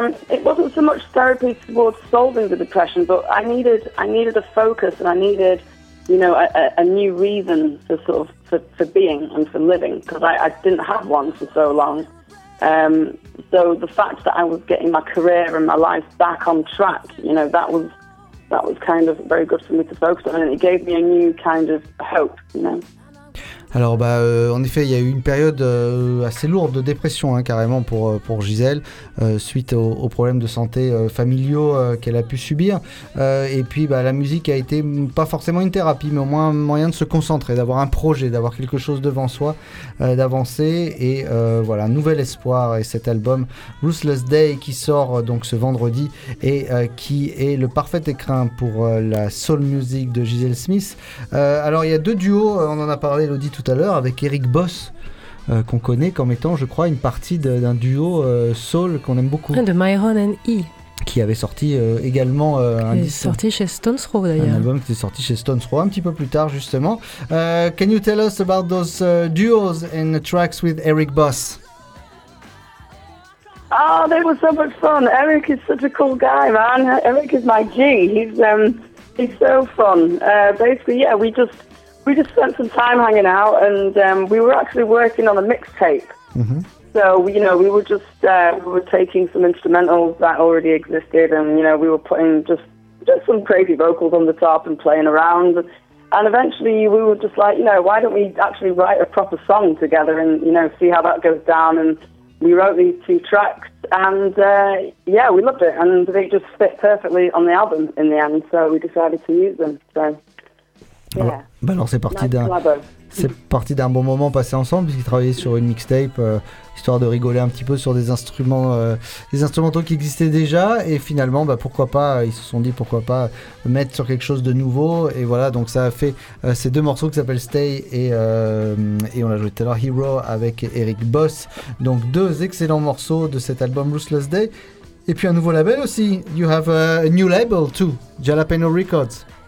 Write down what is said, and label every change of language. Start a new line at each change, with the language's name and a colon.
English: It wasn't so much therapy towards solving the depression, but I needed a focus, and I needed, you know, a new reason for sort of for being and for living, because I didn't have one for so long. So the fact that I was getting my career and my life back on track, you know, that was that was kind of very good for me to focus on, and it gave me a new kind of hope, you know.
French: Alors, en effet, il y a eu une période assez lourde de dépression, hein, carrément, pour Gisèle, suite aux problèmes de santé familiaux qu'elle a pu subir. Et puis, la musique a été pas forcément une thérapie, mais au moins un moyen de se concentrer, d'avoir un projet, d'avoir quelque chose devant soi, d'avancer. Et voilà, nouvel espoir. Et cet album, Ruthless Day, qui sort donc ce vendredi, et qui est le parfait écrin pour la soul music de Gisèle Smith. Alors, il y a deux duos, on en a parlé, l'auditeur, tout à l'heure, avec Eric Boss, qu'on connaît comme étant, je crois, une partie d'un duo soul qu'on aime beaucoup. De Myron and E. Qui avait sorti également un disque. Sorti chez Stones Throw, d'ailleurs. Un album qui était sorti chez Stones Throw un petit peu plus tard, justement.
English: Can you tell us about those duos and the tracks with Eric Boss? Oh, they were so much fun. Eric is such a cool guy, man. Eric is my G. He's so fun. Basically, yeah, we just spent some time hanging out, and we were actually working on a mixtape. Mm-hmm. So, you know, we were just we were taking some instrumentals that already existed, and, you know, we were putting just some crazy vocals on the top and playing around. And eventually we were just like, you know, why don't we actually write a proper song together and, you know, see how that goes down. And we wrote these two tracks, and yeah, we loved it. And they just fit perfectly on the album in the end, so we decided to use them, so...
French: Alors, yeah. Alors c'est parti d'un bon moment passé ensemble, puisqu'ils travaillaient sur une mixtape histoire de rigoler un petit peu sur des instrumentaux qui existaient déjà, et finalement pourquoi pas, ils se sont dit pourquoi pas mettre sur quelque chose de nouveau, et voilà, donc ça a fait ces deux morceaux qui s'appellent Stay et on l'a joué tout à l'heure, Hero avec Eric Boss, donc deux excellents morceaux de cet album Ruthless Day, et puis un nouveau label aussi.
English: You have a new label too, Jalapeno Records.